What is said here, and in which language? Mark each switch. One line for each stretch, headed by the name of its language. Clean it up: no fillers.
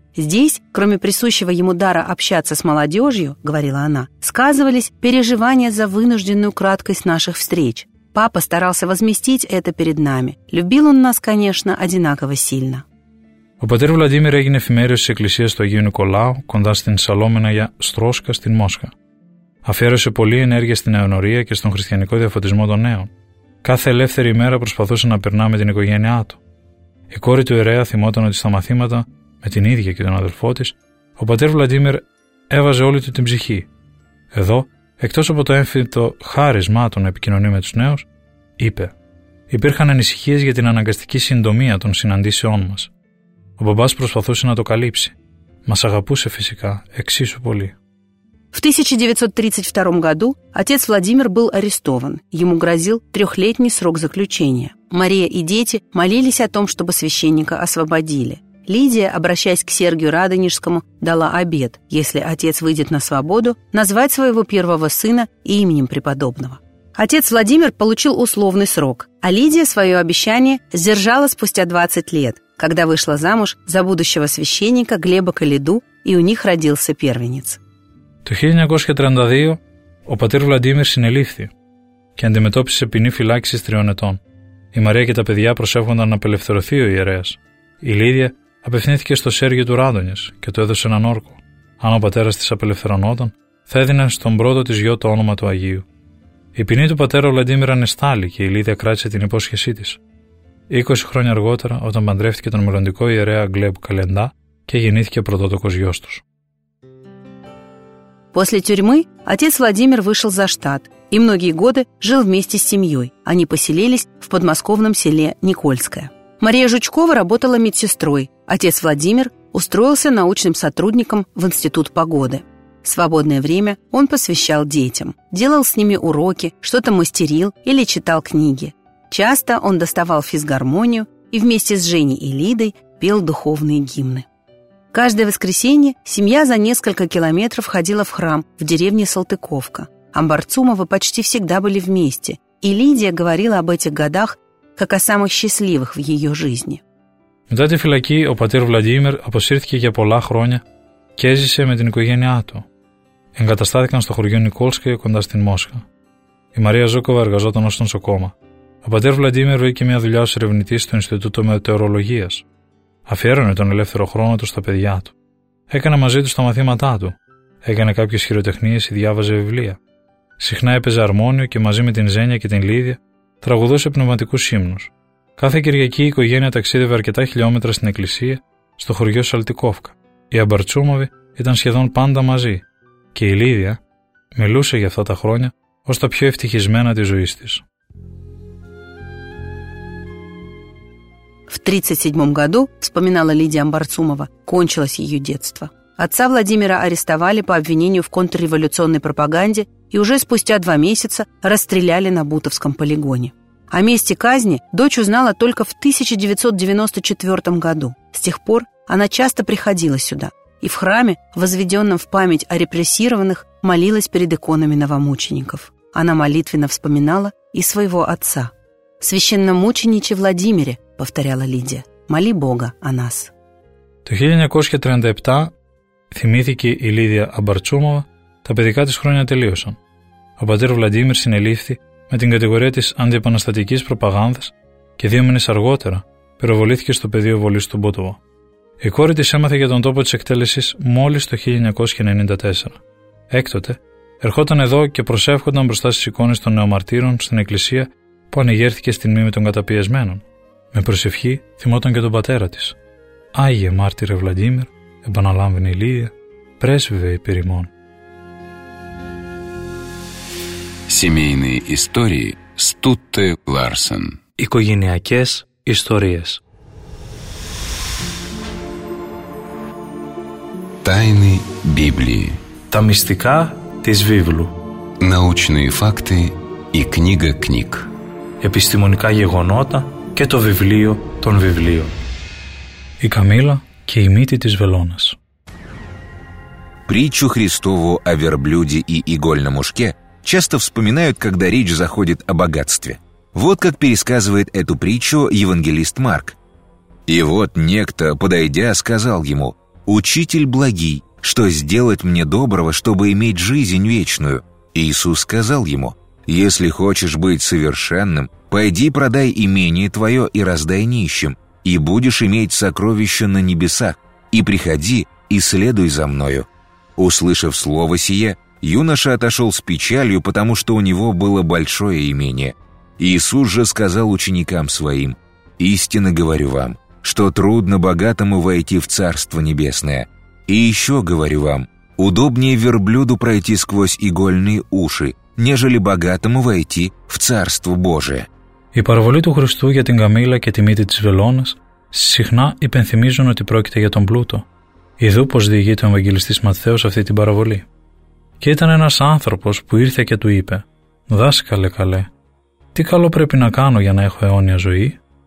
Russian: «Здесь, кроме присущего ему дара общаться с молодежью, — говорила она, — сказывались переживания за вынужденную краткость наших встреч. Папа старался возместить это перед нами. Любил он нас, конечно, одинаково сильно».
Greek: Ο πατήρ Βλαντίμιρ έγινε εφημέριος της Εκκλησίας του Αγίου Νικολάου κοντά στην Σαλόμενα για Στρόσκα στην Μόσχα. Αφιέρωσε πολλή ενέργεια στην αιωνορία και στον χριστιανικό διαφωτισμό των νέων. Κάθε ελεύθερη ημέρα προσπαθούσε να περνά με την οικογένειά του. Η κόρη του ιερέα θυμόταν ότι στα μαθήματα, με την ίδια και τον αδελφό της, ο πατήρ Βλαντίμιρ έβαζε όλη του την ψυχή. Εδώ, εκτός από το έμφυτο χάρισμά του να επικοινωνεί με τους νέους, είπε: «Υπήρχαν ανησυχίες για την αναγκαστική συντομία των συναντήσεών μας. Ο μπαμπάς προσπαθούσε να το καλύψει. Μας αγαπούσε φυσικά εξίσου πολύ».
Russian: В 1932 году отец Владимир был арестован. Ему грозил трехлетний срок заключения. Мария и дети молились о том, чтобы священника освободили. Лидия, обращаясь к Сергию Радонежскому, дала обет, если отец выйдет на свободу, назвать своего первого сына именем преподобного. Отец Владимир получил условный срок, а Лидия свое обещание сдержала спустя 20 лет, когда вышла замуж за будущего священника Глеба Калиду, и у них родился первенец.
Greek: Το 1932 ο πατήρ Βλαντίμιρ συνελήφθη και αντιμετώπισε ποινή φυλάκισης 3 ετών. Η Μαρία και τα παιδιά προσεύχονταν να απελευθερωθεί ο ιερέας. Η Λίδια απευθύνθηκε στο Σέργιο του Ράδωνιες και του έδωσε έναν όρκο. Αν ο πατέρας της απελευθερωνόταν, θα έδινε στον πρώτο της γιο το όνομα του Αγίου. Η ποινή του πατέρα Βλαντίμιρ ανεστάλη και η Λίδια κράτησε την υπόσχεσή της. 20 χρόνια αργότερα, όταν παντρεύτηκε τον μελλοντικό ιερέα Γκλέμπ Καλεντά και γεννήθηκε πρωτότοκος γιος τους.
Russian: После тюрьмы отец Владимир вышел за штат и многие годы жил вместе с семьей. Они поселились в подмосковном селе Никольское. Мария Жучкова работала медсестрой. Отец Владимир устроился научным сотрудником в Институт погоды. Свободное время он посвящал детям. Делал с ними уроки, что-то мастерил или читал книги. Часто он доставал физгармонию и вместе с Женей и Лидой пел духовные гимны. Каждое воскресенье семья за несколько километров ходила в храм в деревне Салтыковка. Амбарцумовы почти всегда были вместе, и Лидия говорила об этих годах как о самых счастливых в ее жизни.
Greek: Μετά τη φυλακή, ο πατήρ Βλαντίμιρ αποσύρθηκε για πολλά χρόνια και έζησε με την οικογένειά του. Εγκαταστάθηκαν στο χωριό Νικόλσκα κοντά στην Μόσχα. Η Μαρία Ζούκοβα εργαζόταν ως νοσοκόμα. Ο πατήρ Βλαντίμιρ είχε μια δουλειά ως ερευνητής στο Ινστιτούτο Μετεωρολογίας. Αφιέρωνε τον ελεύθερο χρόνο του στα παιδιά του. Έκανε μαζί του τα μαθήματά του. Έκανε κάποιες χειροτεχνίες ή διάβαζε βιβλία. Συχνά έπαιζε αρμόνιο και μαζί με την Ζένια και την Λίδια τραγουδούσε πνευματικούς ύμνους. Κάθε Κυριακή η οικογένεια ταξίδευε αρκετά χιλιόμετρα στην εκκλησία, στο χωριό Σαλτικόφκα. Οι Αμπαρτσούμοβοι ήταν σχεδόν πάντα μαζί. Και η Λίδια μιλούσε για αυτά τα χρόνια ως τα πιο ευτυχισμένα της ζωής της.
Russian: В 1937 году, вспоминала Лидия Амбарцумова, кончилось ее детство. Отца Владимира арестовали по обвинению в контрреволюционной пропаганде и уже спустя 2 месяца расстреляли на Бутовском полигоне. О месте казни дочь узнала только в 1994 году. С тех пор она часто приходила сюда и в храме, возведенном в память о репрессированных, молилась перед иконами новомучеников. Она молитвенно вспоминала и своего отца. «Священномученичи Владимире», повторяла Лидия. «Моли Бога о нас».
Greek: Το 1937 θυμήθηκε η Λίδια Αμπαρτσούμοβα, τα παιδικά της χρόνια τελείωσαν. Ο πατήρ Βλαντίμιρ συνελήφθη με την κατηγορία της αντιεπαναστατικής προπαγάνδας και 2 μήνες αργότερα πυροβολήθηκε στο πεδίο βολής του Μποτοβό. Η κόρη της έμαθε για τον τόπο της εκτέλεσης μόλις το 1994. Έκτοτε, ερχόταν εδώ και προσεύχονταν μπροστά στις εικόνες των νεομαρτύρων στην εκκλησία που ανηγέρθηκε στην μνήμη των καταπιεσμένων. Με προσευχή θυμόταν και τον πατέρα της. «Άγιε μάρτυρε Βλαντίμιρ», επαναλάμβανε η Λίδια, «πρέσβευε επί ημών».
Russian: Семейные истории Стутте Ларсен.
Greek: Οικογενειακές ιστορίες.
Russian: Тайны Библии.
Greek: Τα μυστικά της Βίβλου.
Russian: Научные факты и книга книг.
Greek: Επιστημονικά γεγονότα και το βιβλίο των βιβλίων. Η Καμήλα και η μύτη της Βελόνας.
Russian: Притчу Христову о верблюде и игольном ушке часто вспоминают, когда речь заходит о богатстве. Вот как пересказывает эту притчу евангелист Марк. «И вот некто, подойдя, сказал ему: «Учитель благий, что сделать мне доброго, чтобы иметь жизнь вечную?» Иисус сказал ему: «Если хочешь быть совершенным, пойди продай имение твое и раздай нищим, и будешь иметь сокровища на небесах, и приходи и следуй за мною». Услышав слово сие, юноша отошел с печалью, потому что у него было большое имение. Иисус же сказал ученикам своим: «Истинно говорю вам, что трудно богатому войти в Царство Небесное. И еще говорю вам, удобнее верблюду пройти сквозь игольные уши, нежели богатому войти в Царство Божие».
Greek: Η παραβολή του Χριστού για την Καμήλα και τη μύτη της Βελόνας συχνά υπενθυμίζουν ότι πρόκειται για τον πλούτο, ειδού πως διηγείται ο Ευαγγελιστής Ματθαίος αυτή την παραβολή. Και ήταν ένας άνθρωπος που ήρθε και του είπε: «Δάσκαλε καλέ, τι καλό πρέπει να κάνω για να έχω αιώνια ζωή?»